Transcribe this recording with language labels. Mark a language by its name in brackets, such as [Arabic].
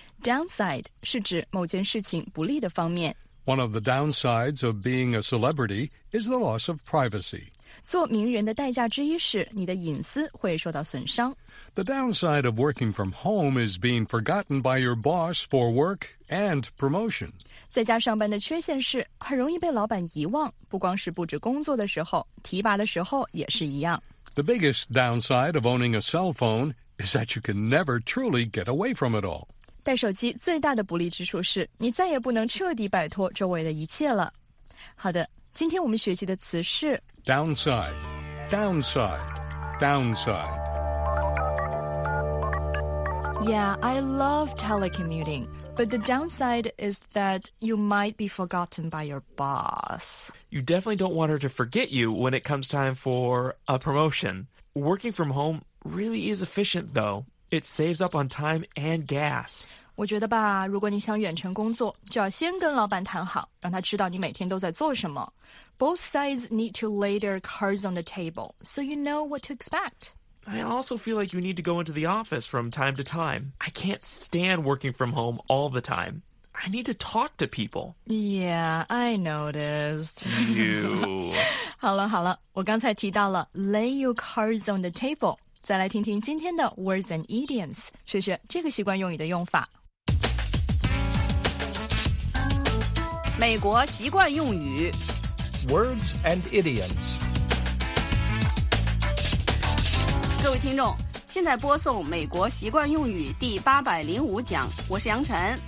[Chinese] Downside 是指某件事情不利的方面。 [English] One of the downsides of being a celebrity is the loss of privacy. [Chinese] 做名人的代价之一是你的隐私会受到损伤。 [English] The downside of working from home is being forgotten by your boss for work and promotion. [Chinese] 在家上班的缺陷是很容易被老板遗忘，不光是布置工作的时候，提拔的时候也是一样。 [English] The biggest downside of owning a cell phone is that you can never truly get away from it all. [Chinese] 带手机最大的不利之处是你再也不能彻底摆脱周围的一切了。好的，今天我们学习的词是 [English] downside, downside, downside. Yeah, I love telecommuting, but the downside is that you might be forgotten by your boss. You definitely don't want her to forget you when it comes time for a promotion. Working from home really is efficient, though. It saves up on time and gas. [Chinese] 我觉得吧，如果你想远程工作，就要先跟老板谈好，让他知道你每天都在做什么。 [English] Both sides need to lay their cards on the table, so you know what to expect. I also feel like you need to go into the office from time to time. I can't stand working from home all the time. I need to talk to people. Yeah, I noticed. You. [Chinese] 好了好了，我刚才提到了 [English] lay your cards on the table. [Chinese] 再来听听今天的 Words and Idioms, 学学这个习惯用语的用法。美国习惯用语 [English] Words and Idioms。 [Chinese] 各位听众，现在播送美国习惯用语第805讲，我是杨晨，